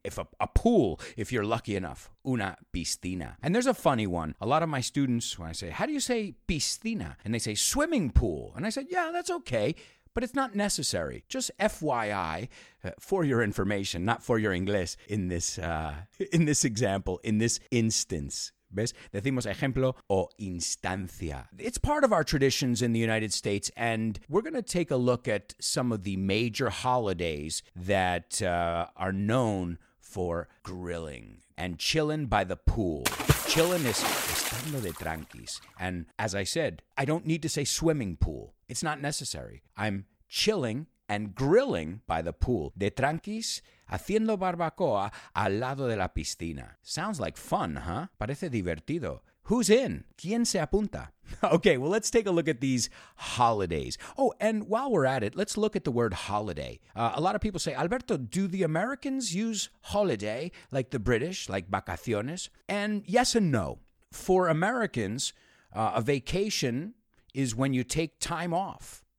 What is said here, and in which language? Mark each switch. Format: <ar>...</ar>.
<en>If a pool, if you're lucky enough.</en> <es>Una piscina.</es> <en>And there's a funny one. A lot of my students, when I say, how do you say piscina? And they say swimming pool. And I said, yeah, that's okay, but it's not necessary. Just FYI, for your information, not for your English, in this example, in this instance.</en> <es>¿Ves? Decimos ejemplo o instancia.</es> <en>It's part of our traditions in the United States, and we're going to take a look at some of the major holidays that are known for grilling and chilling by the pool. Chilling is</en> <es>estando de tranquis.</es> <en>And as I said, I don't need to say swimming pool. It's not necessary. I'm chilling and grilling by the pool.</en> <es>De tranquis, haciendo barbacoa al lado de la piscina.</es> <en>Sounds like fun, huh?</en> <es>Parece divertido.</es> <en>Who's in?</en> <es>¿Quién se apunta?</es> <en>Okay, well, let's take a look at these holidays. Oh, and while we're at it, let's look at the word holiday. A lot of people say, Alberto, do the Americans use holiday like the British, like vacaciones? And yes and no. For Americans, a vacation is when you take time off.</en>